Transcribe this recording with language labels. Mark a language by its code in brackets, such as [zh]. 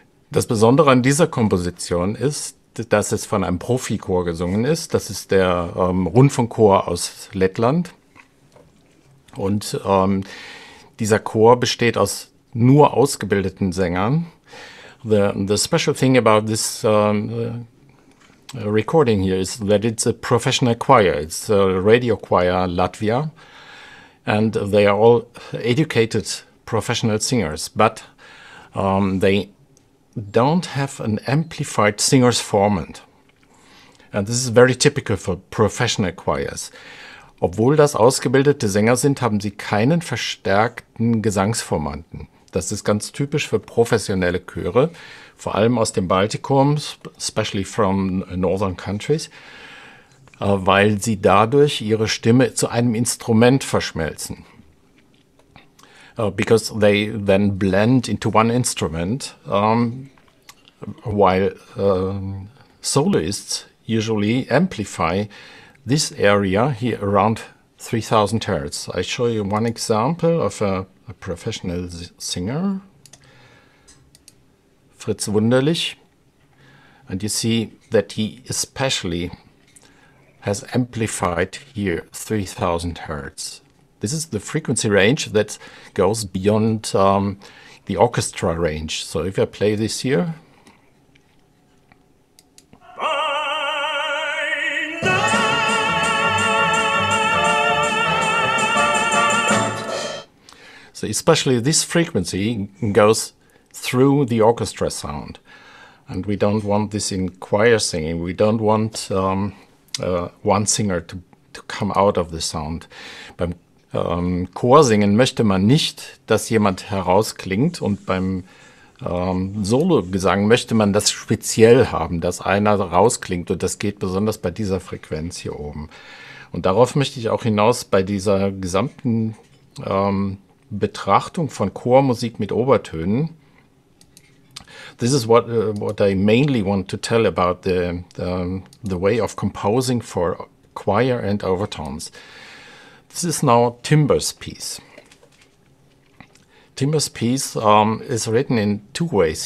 [de] Das Besondere an dieser Komposition ist, dass es von einem Profichor gesungen ist. Das ist der Rundfunkchor aus Lettland. Und dieser Chor besteht aus nur ausgebildeten Sängern. [en] The special thing about this recording here is that it's a professional choir. It's a radio choir Latvia. And they are all educated professional singers. But they don't have an amplified singer's formant. And this is very typical for professional choirs. [de] Obwohl das ausgebildete Sänger sind, haben sie keinen verstärkten Gesangsformanten. Das ist ganz typisch für professionelle Chöre, vor allem aus dem Baltikum, [en] especially from northern countries, [de] weil sie dadurch ihre Stimme zu einem Instrument verschmelzen. [en] Because they then blend into one instrument, while soloists usually amplify this area here around 3,000 hertz. I show you one example of a professional singer, Fritz Wunderlich, and you see that he especially has amplified here 3,000 hertz. This is the frequency range that goes beyond the orchestra range. So if I play this here. So especially this frequency goes through the orchestra sound. And we don't want this in choir singing. We don't want one singer to come out of the sound. [de] Beim Chor singen möchte man nicht, dass jemand herausklingt, und beim Solo-Gesang möchte man das speziell haben, dass einer rausklingt, und das geht besonders bei dieser Frequenz hier oben. Und darauf möchte ich auch hinaus bei dieser gesamten Betrachtung von Chormusik mit Obertönen. [en] this is what I mainly want to tell about the way of composing for choir and overtones. This is now Timber's piece. Timber's piece is written in two ways.